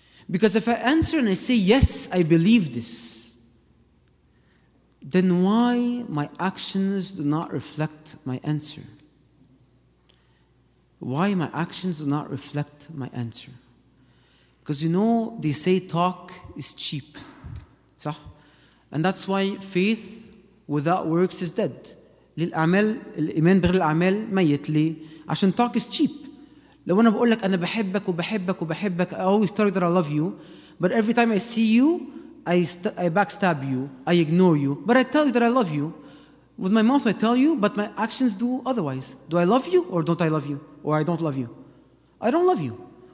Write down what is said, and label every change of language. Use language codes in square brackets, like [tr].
[en] Because if I answer and I say, yes, I believe this, then why my actions do not reflect my answer? Why my actions do not reflect my answer? Because you know, they say talk is cheap. So, and that's why faith without works is dead. [ar] للأعمال الإيمان بغير الأعمال ميت لي عشان [en] talk is cheap. [ar] لو أنا بقول لك أنا بحبك وبحبك وبحبك [en] I always tell you that I love you but every time I see you I backstab you, I ignore you, but I tell you that I love you. With my mouth I tell you, but my actions do otherwise. Do I love you or don't I love you? Or I don't love you? I don't love you.